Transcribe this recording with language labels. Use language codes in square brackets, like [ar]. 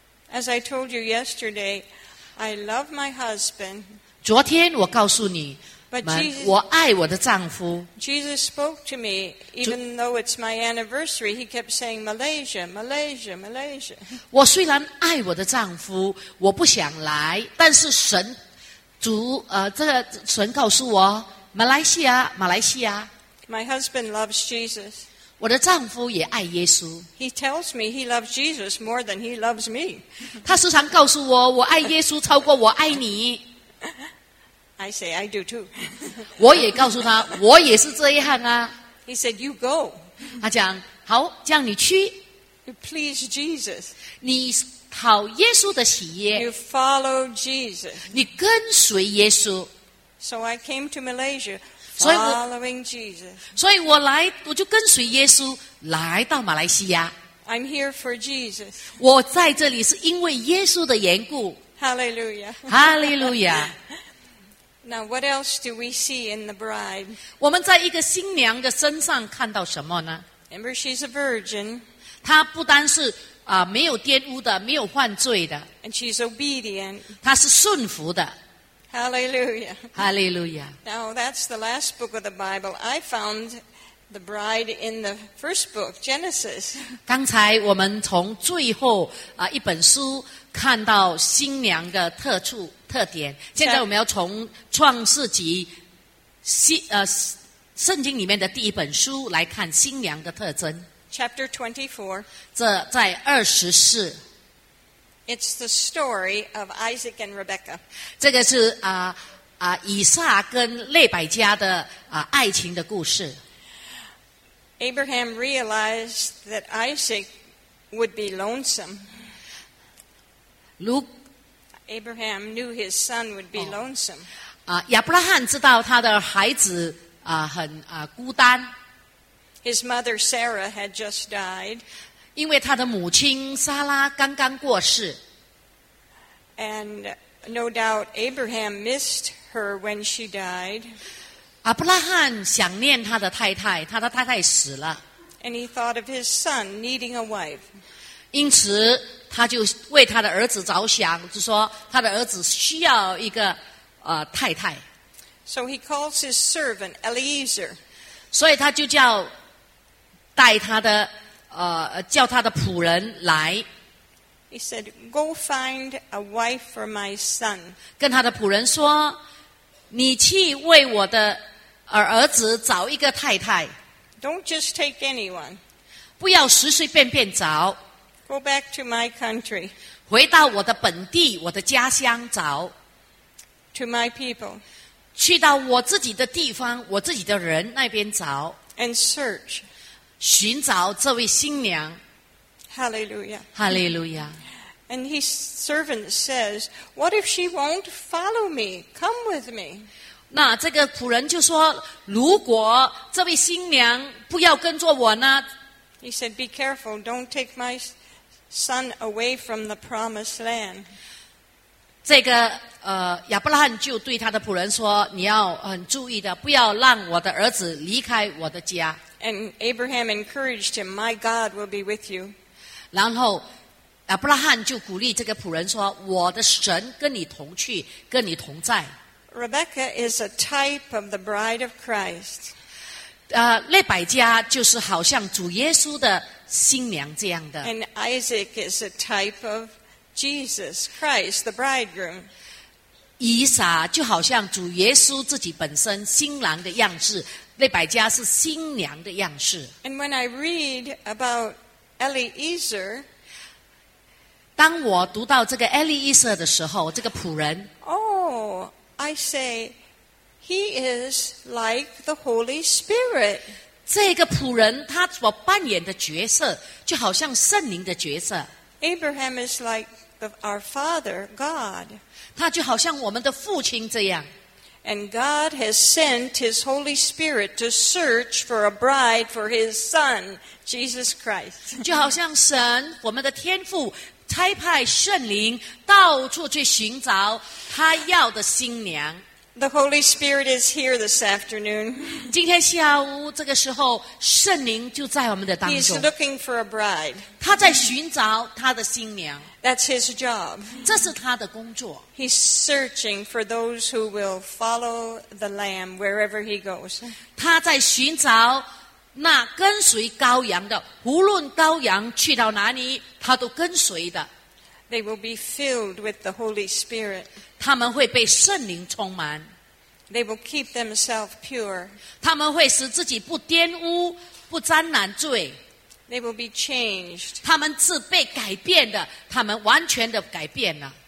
[en] As I told you yesterday, I love my husband. [zh] 昨天我告诉你们，我爱我的丈夫。 [en] Jesus spoke to me, even though it's my anniversary, he kept saying, Malaysia, Malaysia, Malaysia. [zh] 我虽然爱我的丈夫，我不想来，但是神，主，这个神告诉我，马来西亚，马来西亚。 [en] My husband loves Jesus. [zh] 我的丈夫也爱耶稣。 [en] He tells me he loves Jesus more than he loves me. [zh] 他时常告诉我，我爱耶稣超过我爱你。 [en] I say, I do too. [zh] 我也告诉他，我也是这样啊。 [en] He said, you go. [zh] 他讲，好，这样你去。 [en] You please Jesus. [zh] 你讨耶稣的喜悦。 [en] You follow Jesus. [zh] 你跟随耶稣。 [en] So I came to Malaysia following Jesus. [zh] 所以我就跟随耶稣来到马来西亚。 [en] I'm here for Jesus. [zh] 我在这里是因为耶稣的缘故。 [en] Hallelujah. Hallelujah. Now, what else do we see in the bride? [zh] 我们在一个新娘的身上看到什么呢？ [en] Remember, she's a virgin. [zh] 她不单是没有玷污的，没有犯罪的。 [en] And she's obedient. [zh] 她是顺服的。 [en] Hallelujah. Hallelujah. Now, that's the last book of the Bible. I found the bride in the first book, Genesis. [zh] 刚才我们从最后一本书看到新娘的特点，现在我们要从创世纪圣经里面的第一本书来看新娘的特征。 [en] Chapter 24. [zh] 这在24。 [en] It's the story of Isaac and Rebecca. [zh] 这个是以撒跟勒百加的爱情的故事。 [en] Abraham realized that Isaac would be lonesome. Luke, Abraham knew his son would be lonesome. [zh] 亚伯拉罕知道他的孩子很孤单。 [en] His mother Sarah had just died. [zh] 因为他的母亲莎拉刚刚过世。 [en] And no doubt Abraham missed her when she died. [zh] 亚伯拉罕想念他的太太，他的太太死了。 [en] And he thought of his son needing a wife. [zh] 因此他就为他的儿子着想，就说他的儿子需要一个太太。 [en] So he calls his servant Eliezer. [zh] 所以他就叫带他的叫他的仆人来。 [en] He said, "Go find a wife for my son." [zh] 跟他的仆人说，你去为我的儿子找一个太太。 [en] Don't just take anyone. [zh] 不要随随便便找。 [en] Go back to my country. [zh] 回到我的本地，我的家乡找。 [en] To my people. [zh] 去到我自己的地方，我自己的人那边找。 [en] And search. [zh] 寻找这位新娘。 [en] Hallelujah. Hallelujah. And his servant says, "What if she won't follow me? Come with me." [zh] 那这个仆人就说，如果这位新娘不要跟着我呢？ [en] He said, "Be careful! Don't take my son away from the promised land." [zh] 这个亚伯拉罕就对他的仆人说，你要很注意的，不要让我的儿子离开我的家。 [en] And Abraham encouraged him, "My God will be with you." [zh] 然后亚伯拉罕就鼓励这个仆人说，我的神跟你同去，跟你同在。 [en] Rebecca is a type of the bride of Christ. [zh] 勒百加就是好像主耶稣的新娘这样的。 [en] And Isaac is a type of Jesus Christ, the bridegroom. [zh] 以撒就好像主耶稣自己本身新郎的样式，勒百加是新娘的样式。 [en] And when I read about Eliezer, [zh] 当我读到这个 Eliezer 的时候，这个仆人 [en] ，Oh, I say, he is like the Holy Spirit. [zh] 这个仆人他所扮演的角色，就好像圣灵的角色。 [en] Abraham is like our Father God. [zh] 他就好像我们的父亲这样。 [en] And God has sent His Holy Spirit to search for a bride for His Son, Jesus Christ. [zh] 就好像神，我们的天父。差派圣灵到处去寻找他要的新娘。 [en] The Holy Spirit is here this afternoon. [zh] 今天下午这个时候，圣灵就在我们的当中。 [en] He's looking for a bride. [zh] 他在寻找他的新娘。 [en] That's his job. [zh] 这是他的工作。 [en] He's searching for those who will follow the Lamb wherever he goes. [zh] 他在寻找那跟随羔羊的，无论羔羊去到哪里，他都跟随的。 [en] They will be filled with the Holy Spirit. [zh] 他们会被圣灵充满。 [en] They will keep themselves pure. [zh] 他们会使自己不玷污，不沾染罪。 [en] They will be changed. [zh] 他们是被改变的，他们完全的改变了。